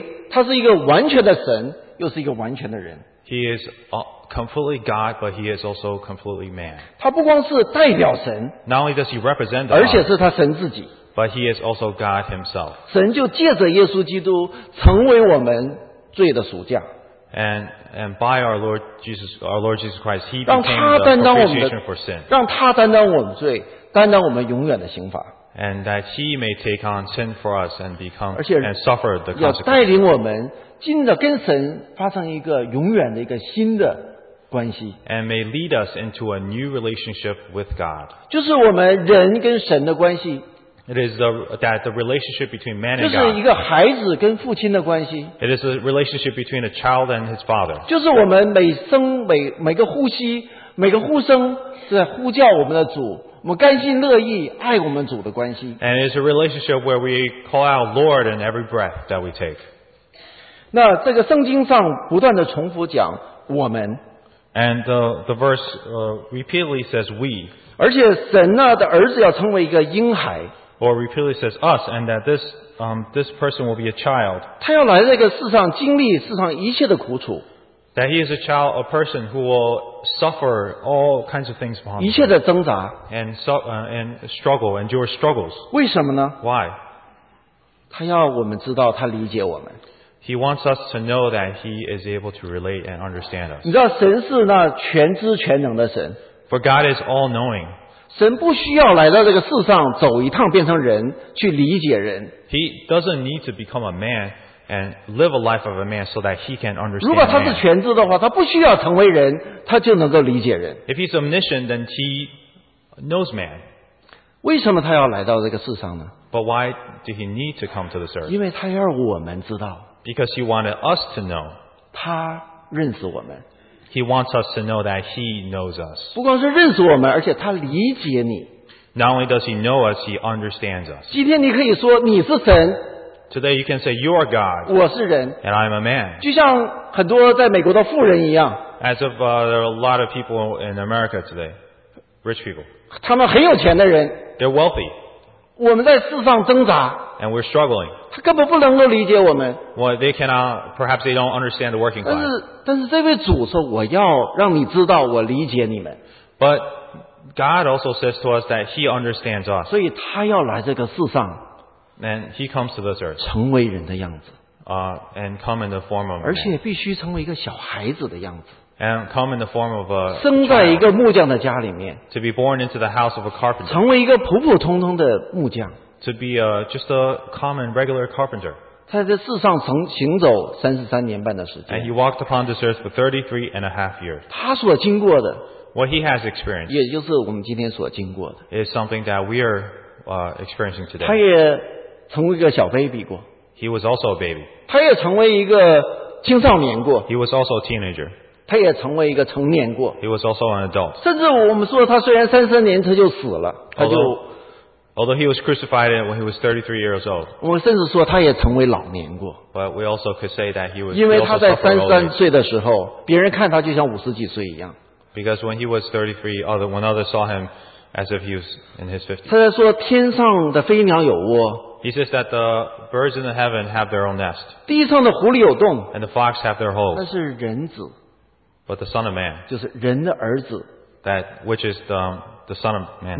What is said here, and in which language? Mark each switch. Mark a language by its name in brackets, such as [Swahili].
[Chinese] 他是一个完全的神，又是一个完全的人。 [English] He is completely God, but he is also completely man. [Chinese] 他不光是代表神 [English] ，Not only does he represent [Chinese] God, 而且是他神自己。 [English] But he is also God himself. [Chinese] 神就借着耶稣基督成为我们罪的赎价。 [English] And by our Lord Jesus Christ, he became the propitiation for sin. [Chinese] 让他担当我们罪，担当我们永远的刑罚。 [English] And that he may take on sin for us and become and suffer the consequences. [Chinese] 要带领我们进的跟神发生一个永远的一个新的关系。 [English] And may lead us into a new relationship with God. [Chinese] 就是我们人跟神的关系。 [English] It is the relationship between man and God. [Chinese] 就是一个孩子跟父亲的关系。 [English] It is a relationship between a child and his father. [Chinese] 就是我们每生每个呼吸每个呼声是在呼叫我们的主。我们甘心乐意爱我们主的关系。 [English] And it's a relationship where we call out Lord in every breath that we take. [Chinese] 那这个圣经上不断的重复讲我们。 [English] And the verse repeatedly says we. [Chinese] 而且神呢的儿子要成为一个婴孩。 [English] Or repeatedly says us, and that this person will be a child. [Chinese] 他要来这个世上经历世上一切的苦楚。 [English] That he is a child, a person who will suffer all kinds of things upon him. [Chinese] 一切的挣扎。 [English] And struggle, endure struggles. [Chinese] 为什么呢 [English] ？Why? [Chinese] 他要我们知道，他理解我们。 [English] He wants us to know that he is able to relate and understand us. [Chinese] 你知道，神是那全知全能的神。 [English] For God is all knowing. [Chinese] 神不需要来到这个世上走一趟，变成人去理解人。 [English] He doesn't need to become a man. And live a life of a man so that he can understand. [Chinese] 如果他是全知的话，他不需要成为人，他就能够理解人。 [English] If he's omniscient, then he knows man. [Chinese] 为什么他要来到这个世上呢 [English] ？But why do he need to come to this earth? [Chinese] 因为他要我们知道。 [English] Because he wanted us to know. [Chinese] 他认识我们。 [English] He wants us to know that he knows us. [Chinese] 不光是认识我们，而且他理解你。 [English] Not only does he know us, he understands us. [Chinese] 今天你可以说你是神。 [English] Today you can say you are God. [Chinese] 我是人 [English] and I'm a man. [Chinese] 就像很多在美国的富人一样 [English] As if there are a lot of people in America today, rich people. [Chinese] 他们很有钱的人 [English] They're wealthy. [Chinese] 我们在世上挣扎 [English] and we're struggling. [Chinese] 他根本不能够理解我们 [English] Well, they cannot. Perhaps they don't understand the working class. [Chinese] 但是这位主说，我要让你知道，我理解你们 [English] But God also says to us that He understands us. [Chinese] 所以他要来这个世上。 [English] And he comes to this earth. [Chinese] 成为人的样子, [English] and come in the form of a man. [Chinese] 而且必须成为一个小孩子的样子, [English] and come in the form of a child. [Chinese] 生在一个木匠的家里面, [English] to be born into the house of a carpenter. [Chinese] 成为一个普普通通的木匠, [English] to be a, just a common regular carpenter. [Chinese] 在这世上行走33年半的时间, [English] and he walked upon this earth for 33 and a half years. [Chinese] 他所经过的, [English] what he has experienced, [Chinese] 也就是我们今天所经过的, [English] is something that we are experiencing today. [Chinese] 他也成为一个小baby过, [English] he was also a baby. [Chinese] 他也成为一个青少年过, [English] he was also a teenager. [Chinese] 他也成为一个成年过, [English] he was also an adult. [Chinese] 甚至我们说他虽然33年他就死了, [English] although he was crucified when he was 33 years old. [Chinese] 我甚至说他也成为老年过, [English] but we also could say that he was, [Chinese] 因为他在33岁的时候, 别人看他就像50几岁一样, [English] because when he was 33, when others saw him as if he was in his 50s. [Chinese] 他在说天上的飞鸟有窝, [English] he says that the birds in the heaven have their own nest. [Chinese] 地上的狐狸有洞, [English] and the fox have their holes. [Chinese] 那是人子, [English] but the Son of Man, [Chinese] 就是人的儿子, [English] that which is the Son of Man,